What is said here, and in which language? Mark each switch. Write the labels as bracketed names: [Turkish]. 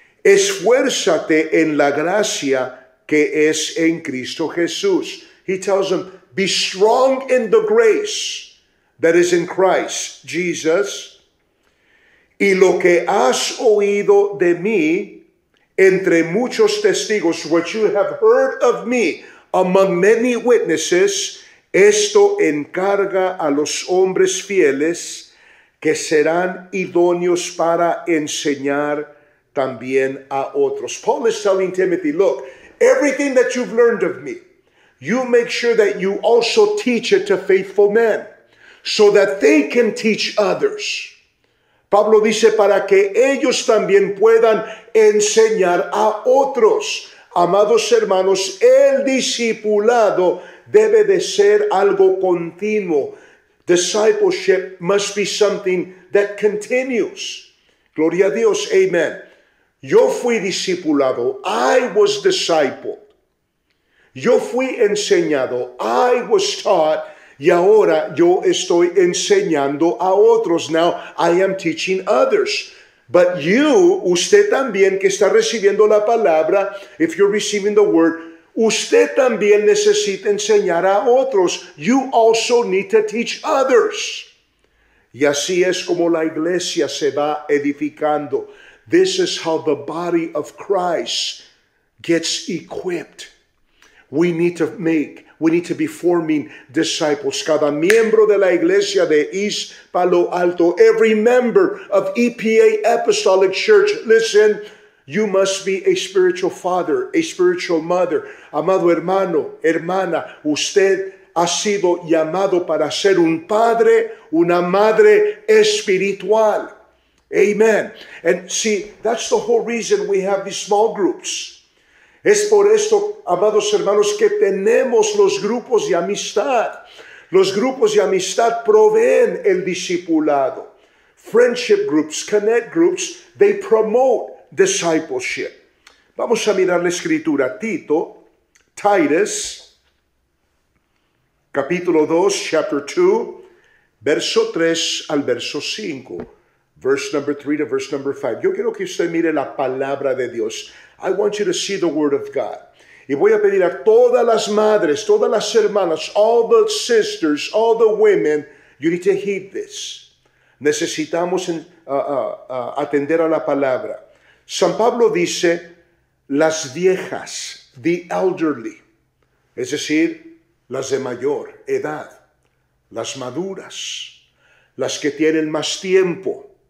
[Spanish] Esfuérzate en la gracia que es en Cristo Jesús. [English] He tells him, be strong in the grace that is in Christ Jesus. [Spanish] Y lo que has oído de mí entre muchos testigos, [English] what you have heard of me among many witnesses, [Spanish] esto encarga a los hombres fieles que serán idóneos para enseñar también a otros. [English] Paul is telling Timothy, look, everything that you've learned of me, you make sure that you also teach it to faithful men so that they can teach others. [Spanish] Pablo dice, para que ellos también puedan enseñar a otros. Amados hermanos, el discipulado debe de ser algo continuo. [English] Discipleship must be something that continues. [Spanish] Gloria a Dios. [English] Amen. [Spanish] Yo fui discipulado. [English] I was discipled. [Spanish] Yo fui enseñado. [English] I was taught. [Spanish] Y ahora yo estoy enseñando a otros. [English] Now I am teaching others. But you, [Spanish] usted también que está recibiendo la palabra, [English] if you're receiving the word, [Spanish] usted también necesita enseñar a otros. [English] You also need to teach others. [Spanish] Y así es como la iglesia se va edificando. [English] This is how the body of Christ gets equipped. We need to be forming disciples. [Spanish] Cada miembro de la iglesia de East Palo Alto, [English] every member of EPA Apostolic Church, listen, you must be a spiritual father, a spiritual mother. [Spanish] Amado hermano, hermana, usted ha sido llamado para ser un padre, una madre espiritual. Amen. [English] And see, that's the whole reason we have these small groups. [Spanish] Es por esto, amados hermanos, que tenemos los grupos de amistad. Los grupos de amistad proveen el discipulado. [English] Friendship groups, connect groups, they promote discipleship. [Spanish] Vamos a mirar la escritura. Tito, Titus, capítulo 2, [English] chapter 2, [Spanish] verso 3 al verso 5. [English] Verse number 3 to verse number 5. [Spanish] Yo quiero que usted mire la palabra de Dios. [English] I want you to see the word of God. [Spanish] Y voy a pedir a todas las madres, todas las hermanas, [English] all the sisters, all the women, you need to heed this. [Spanish] Necesitamos atender a la palabra. San Pablo dice, las viejas, [English] the elderly, [Spanish] es decir, las de mayor edad, las maduras, las que tienen más tiempo,